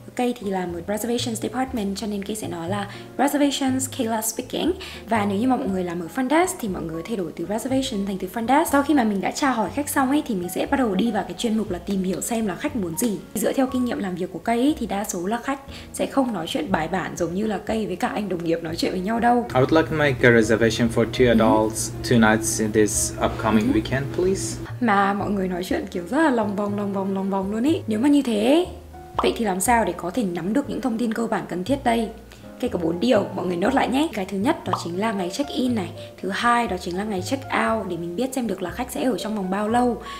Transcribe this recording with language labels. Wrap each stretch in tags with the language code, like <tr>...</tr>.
<vi>Kay thì là một reservations department cho nên Kay sẽ nói là reservations, Kayla speaking. Và nếu như mọi người làm ở front desk thì mọi người thay đổi từ reservation thành từ front desk. Sau khi mà mình đã chào hỏi khách xong ấy thì mình sẽ bắt đầu đi vào cái chuyên mục là tìm hiểu xem là khách muốn gì. Dựa theo kinh nghiệm làm việc của Kay thì đa số là khách sẽ không nói chuyện bài bản giống như là Kay với cả anh đồng nghiệp nói chuyện với nhau đâu.</vi> <en>I would like to make a reservation for 2 adults, 2 nights in this upcoming weekend, please.</en> <vi>Mà mọi người nói chuyện kiểu rất là lòng vòng luôn ý. Nếu mà như thế, vậy thì làm sao để có thể nắm được những thông tin cơ bản cần thiết đây? Kay có 4 điều, mọi người nốt lại nhé. Cái thứ nhất đó chính là ngày check in này. Thứ hai đó chính là ngày check out để mình biết xem được là khách sẽ ở trong vòng bao lâu.</vi>